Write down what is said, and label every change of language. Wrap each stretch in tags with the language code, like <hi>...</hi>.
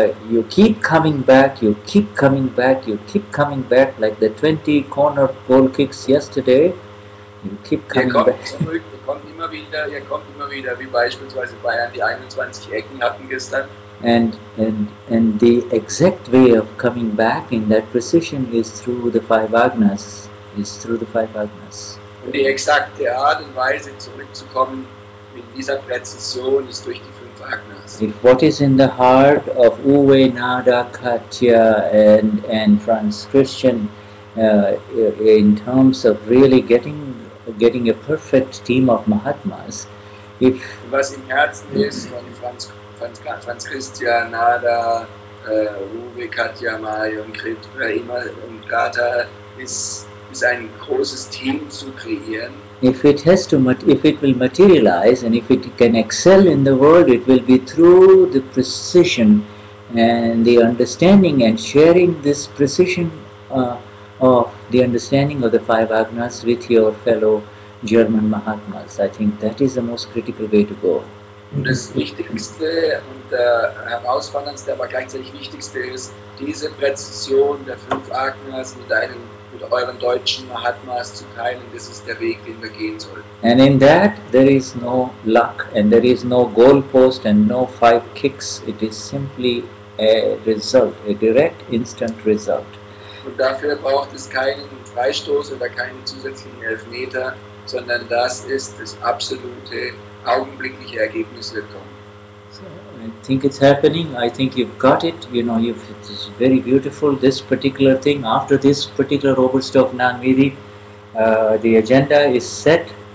<en>You keep coming back, like the 20 corner goal kicks yesterday. You keep coming back.</en> <de>Ihr kommt immer wieder, wie beispielsweise Bayern die 21 Ecken hatten gestern.</de> <en>And the exact way of coming back in that precision is through the five agnas.</en> <de>Und die exakte Art und Weise zurückzukommen in dieser Präzision ist durch die fünf Agnas.</de> <en>If what is in the heart of Uwe, Nada, Katja and Franz Christian in terms of really getting a perfect team of Mahatmas, if</en> <de>was im Herzen ist von Franz Christian, Nada, Uwe, Katja, Mai und Krita und Gata ist ein großes Team zu kreieren.</de> <en>If it will materialize and if it can excel in the world, it will be through the precision and the understanding and sharing this precision of the understanding of the five agnas with your fellow German Mahatmas. I think that is the most critical way to go.</en> <de>Und das Wichtigste und herausforderndste, aber gleichzeitig Wichtigste ist, diese Präzision der fünf Agnas mit euren deutschen Mahatmas zu teilen. Das ist der Weg, den wir gehen sollten.</de> <en>And in that, there is no luck and there is no goalpost and no five kicks. It is simply a result, a direct instant result.</en> <de>Und dafür braucht es keinen Freistoß oder keinen zusätzlichen Elfmeter, sondern das ist das absolute augenblickliche Ergebnis bekommen.</de> <en>So, I think it's happening. I think you've got it. You know, it's very beautiful, this particular thing. After this particular Oberstdorf Nangiri, the agenda is set.</en>